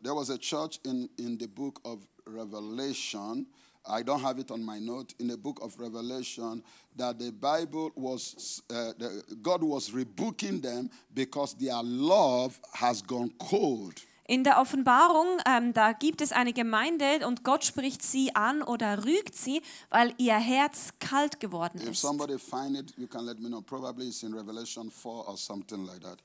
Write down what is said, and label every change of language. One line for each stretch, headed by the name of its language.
English: There was a church in the book of Revelation. I don't have it on my note. In the book of Revelation, that the Bible was God was rebuking them because their love has gone cold.
German: In der Offenbarung, da gibt es eine Gemeinde und Gott spricht sie an oder rügt sie, weil ihr Herz kalt geworden ist.
English: If somebody find it, you can let me know. Probably it's in Revelation 4 or something like that.